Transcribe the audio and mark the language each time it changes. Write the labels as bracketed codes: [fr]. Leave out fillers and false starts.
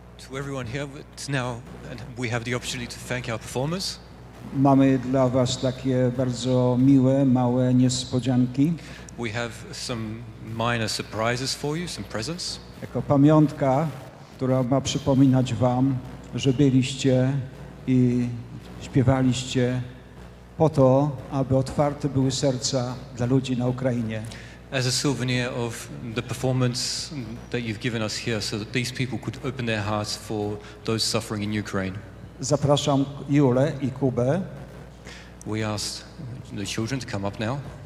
[en] To everyone here, it's now we have the opportunity to thank our performers. [pl] Mamy dla was takie bardzo miłe, małe niespodzianki. [en] We have some minor surprises for you, some presents. [pl] Jako pamiątka, która ma przypominać wam, że byliście i śpiewaliście po to, aby otwarte były serca dla ludzi na Ukrainie. [en] As a souvenir of the performance that you've given us here, so that these people could open their hearts for those suffering in Ukraine. [pl] Zapraszam Julę i Kubę. [en] We asked the children to come up now.